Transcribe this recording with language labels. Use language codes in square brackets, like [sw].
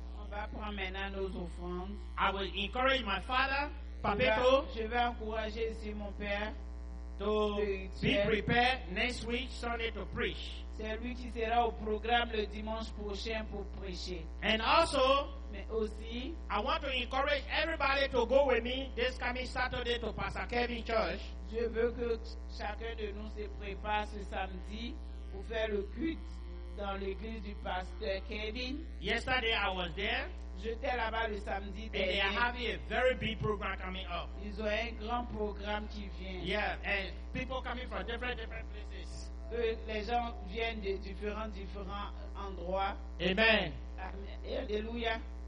[fr] On va prendre maintenant nos offrandes. [en] I will encourage my father, Papeto. [fr] Je vais encourager ici mon père. [en] To be prepared next week Sunday to preach. [fr] C'est lui qui sera au programme le dimanche prochain pour prêcher. [en] And also, [fr] mais aussi, [en] I want to encourage everybody to go with me this coming Saturday to Pastor Kevin Church. [fr] Je veux que chacun de nous se prépare ce samedi pour faire le culte dans l'église du pasteur Kevin. [en] Yesterday I was there. [fr] J'étais là-bas le samedi dernier. [en] And they are having a very big program coming up. [fr] Ils ont un grand programme qui vient. [en] Yeah, and people coming from different places. [fr] Les gens viennent de différents endroits. [en] Amen. [fr] Alléluia.